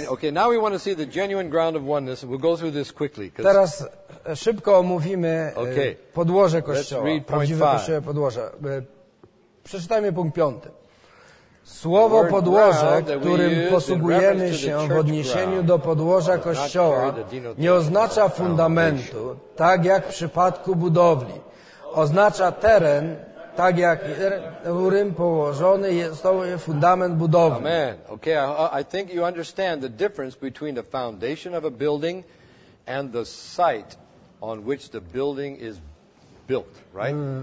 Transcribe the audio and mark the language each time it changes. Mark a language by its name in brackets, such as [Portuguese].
[English] Okay, now we want to see the genuine ground of oneness. We'll go through this quickly. [Polish] Teraz szybko omówimy podłoże kościoła, prawdziwe kościoła podłoże. Przeczytajmy punkt piąty. Słowo podłoże, którym posługujemy się w odniesieniu do podłoża Kościoła, nie oznacza fundamentu, tak jak w przypadku budowli. Oznacza teren, tak jak którym położony jest fundament budowli. Amen. [English] Okay, I think you understand the difference between the foundation of a building and the site on which the building is built, right?